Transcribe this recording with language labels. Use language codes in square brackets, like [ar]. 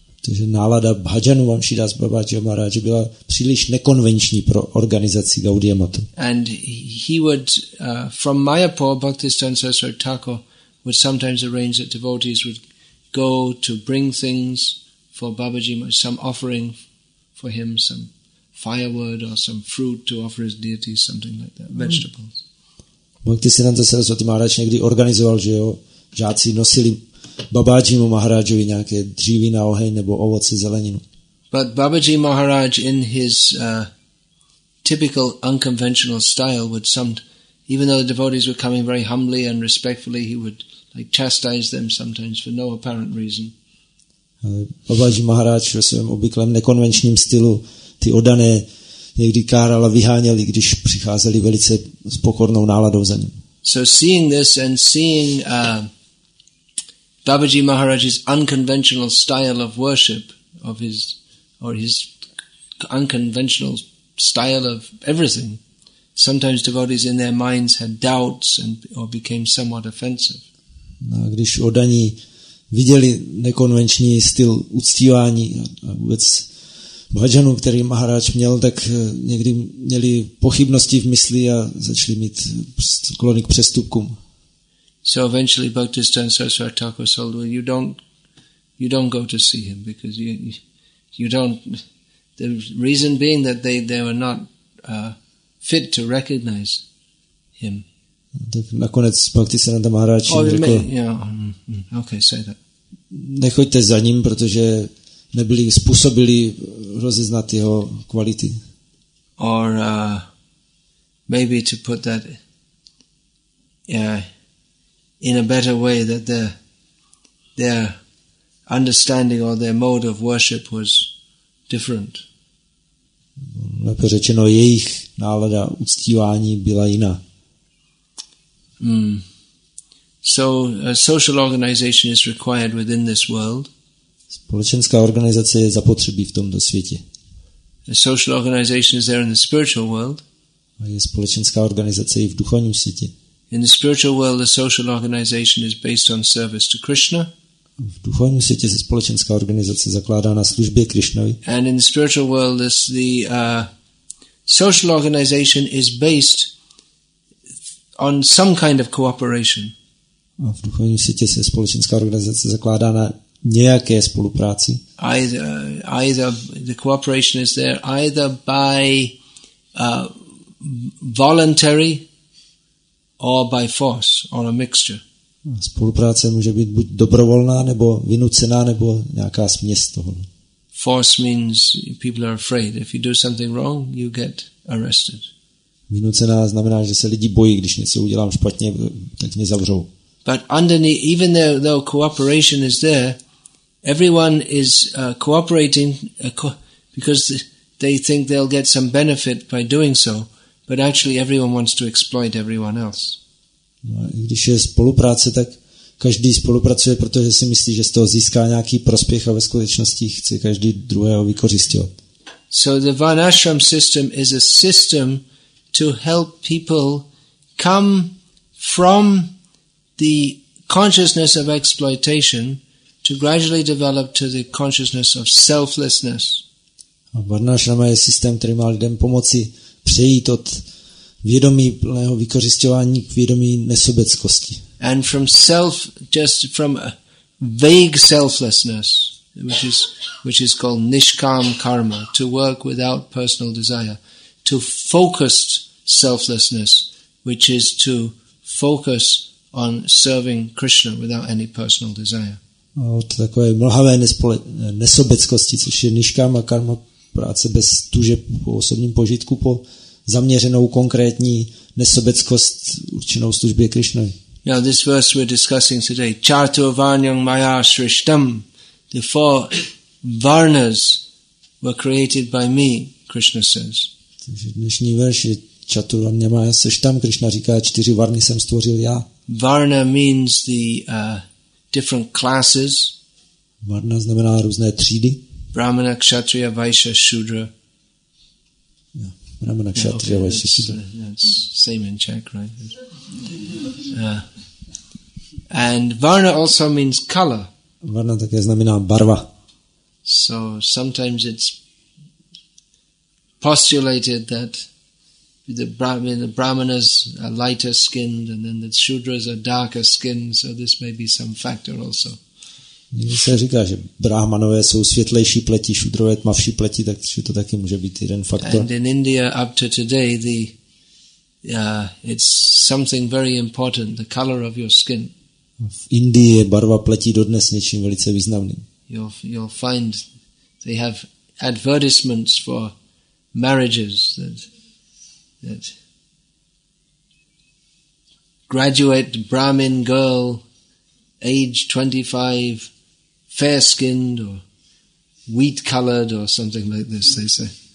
[cs] Takže nálada bhajanu Vamsidas Babaji Maharaj byla příliš nekonvenční pro organizaci Gaudiya Mathu. [en] And he would from Mayapur, Bhaktisiddhanta Saraswati Thakur would sometimes arrange that devotees would go to bring things for Babaji, some offering for him, some firewood or some fruit to offer his deity, something like that, vegetables. [cs] Bhaktisiddhanta Saraswati Maharaj někdy organizoval, že jeho žáci nosili Babajimu Maharajovi nějaké dříví na oheň nebo ovoce, zeleninu. [en] But Babaji Maharaj in his typical unconventional style would some, even though the devotees were coming very humbly and respectfully, he would like chastise them sometimes for no apparent reason. [cs] Babaji Maharaj ve svém obvyklém nekonvenčním stylu ty oddané někdy káral a vyháněl, když přicházeli velice s pokornou náladou za ním. [en] So seeing this and seeing Babaji Maharaj's unconventional style of worship, of his or his unconventional style of everything, sometimes devotees in their minds had doubts and or became somewhat offensive. [cs] No, když oddaní viděli nekonvenční styl uctívání a vůbec bhajanu, který Maharaj měl, tak někdy měli pochybnosti v mysli a začali mít sklony k přestupkům. [en] So eventually Bhaktisiddhanta Saraswati Thakur said, well, you don't go to see him because you don't, the reason being that they were not fit to recognize him. [cs] Tak nakonec Bhaktisiddhanta Maharaj jim řekl, [en] okay, say that. [cs] Nechoďte za ním, protože nebyli způsobili rozeznat jeho kvality. [en] Or maybe to put that in a better way, that their understanding or their mode of worship was different. [cs] Lépe řečeno, jejich nálada uctívání byla jiná. [en] So a social organization is required within this world. [cs] Společenská organizace je zapotřebí v tomto světě. [en] A social organization is there in the spiritual world. [cs] A je společenská organizace i v duchovním světě. [en] In the spiritual world, the social organization is based on service to Krishna. [cs] V duchovním světě se společenská organizace zakládá na službě Krishnovi. [en] And in the spiritual world, social organization is based on some kind of cooperation. [cs] A v duchovním světě se společenská organizace zakládá na nějaké spolupráci. [en] Either the cooperation is there either by voluntary or by force or a mixture. [cs] Spolupráce může být buď dobrovolná nebo vynucená nebo nějaká směs toho. [en] Force means people are afraid. If you do something wrong, you get arrested. [cs] Vynucená znamená, že se lidi bojí, když něco udělám špatně, tak mě zavřou. [en] But underneath, even though cooperation is there, everyone is cooperating because they think they'll get some benefit by doing so, but actually everyone wants to exploit everyone else. [cs] No, když je spolupráce, tak každý spolupracuje, protože si myslí, že z toho získá nějaký prospěch a ve skutečnosti chce každý druhého vykořisťovat. [en] So the Vanashram system is a system to help people come from the consciousness of exploitation to gradually develop to the consciousness of selflessness. [cs] A Varnashrama je systém, který má lidem pomoci přejít od vědomí plného vykořisťování k vědomí nesobeckosti. [en] And from self, just from vague selflessness. which is called nishkam karma, to work without personal desire, to focused selflessness, which is to focus on serving Krishna without any personal desire. [cs] To takové mlhavé nesobeckosti, což je nishkama karma, práce bez tuže po osobním požitku, po zaměřenou konkrétní nesobeckost určenou službě Krishnovi. [en] Now this verse we're discussing today, Chaturvarnam Maya Srishtam, the four varnas were created by me, Krishna says. [cs] Takže dnešní verš je Chaturvarnam Maya Srishtam, Krishna říká, čtyři varny jsem stvořil já. [en] Varna means the different classes. [cs] Varna znamená různé třídy. [en] Brahmana, Kshatriya, Vaishya, Shudra. [cs] Brahmana, Kshatriya, Vaishya, Shudra. [en] Same in Czech, right? And varna also means color. [cs] Varna také znamená barva. [en] So sometimes it's postulated that the Brahmanas are lighter skinned and then the Shudras are darker skinned, so this may be some factor also. [cs] Někdy se říká, že Brahmanové jsou světlejší pleti, Šudrové tmavší pleti, takže to taky může být jeden faktor. [en] And in India up to today it's something very important, the color of your skin. [cs] V Indii je barva pleti dodnes něčím velice významným. [en] You'll find they have advertisements for marriages that graduate Brahmin girl, age 25, fair skinned or wheat colored or something like this, they say.